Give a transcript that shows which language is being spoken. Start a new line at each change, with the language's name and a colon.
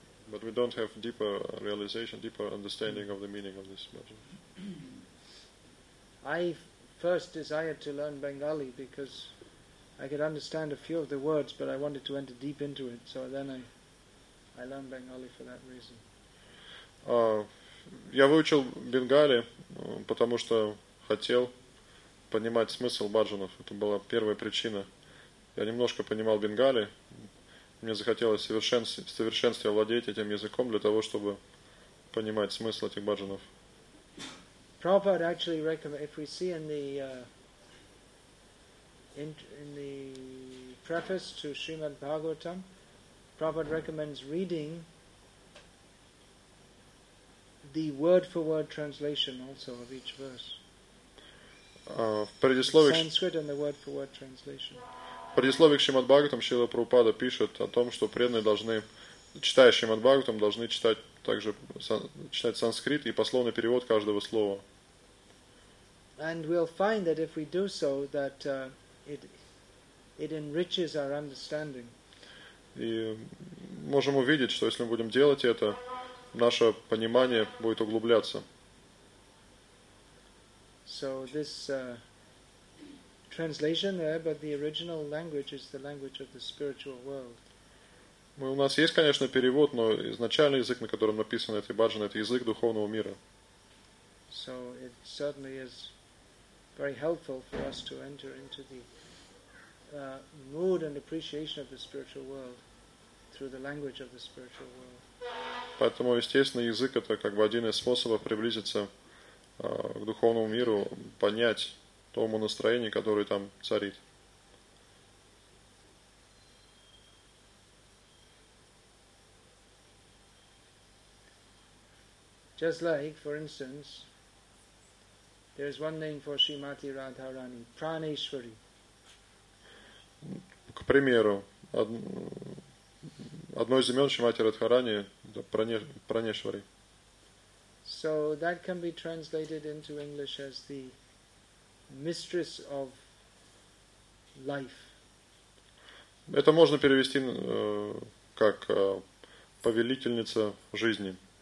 English: But we don't have deeper realization, deeper understanding of the meaning of this bhajan. I first desired to learn Bengali because I could understand a few of the words, but I wanted to enter deep into it. So then I learned Bengali for that reason.
Russian: Я выучил Бенгали, потому что хотел понимать смысл баджанов. Это была первая причина. Я немножко понимал Бенгали. Мне захотелось в совершенстве овладеть этим языком для того, чтобы понимать смысл этих баджанов.
English: Prabhupada actually recommend, if we see in the in the preface to Srimad Bhagavatam, Prabhupada recommends reading the word-for-word translation also of each verse.
Russian: В предисловии
English: Sanskrit and the word-for-word translation.
Russian: В предисловии к Шримад Бхагаватам Шрила Прабхупада пишет о том, что преданные должны, читая Шримад Бхагаватам, должны читать также читать санскрит и пословный перевод каждого слова.
English: And we'll find that if we do so, that it enriches our understanding.
Russian: И можем увидеть, что если мы будем делать это, наше понимание будет углубляться.
English: So this translation there, but the original language is the language of the spiritual world.
Russian: У нас есть, конечно, перевод, но изначальный язык, на котором написано эти баджаны, это язык духовного мира.
English: So it certainly is very helpful for us to enter into the mood and appreciation of the spiritual world through the language of the spiritual world.
Russian: Поэтому, естественно, язык это как бы один из способов приблизиться к духовному миру, понять тому настроению, которое там царит.
English: Just like, for instance, there is one name for Srimati Radharani, Praneshwari.
Russian: К примеру, одно из имен Шримати Радхарани это Пранешвари.
English: So that can be translated into English as the mistress of life.
Russian: Это можно перевести как повелительница жизни.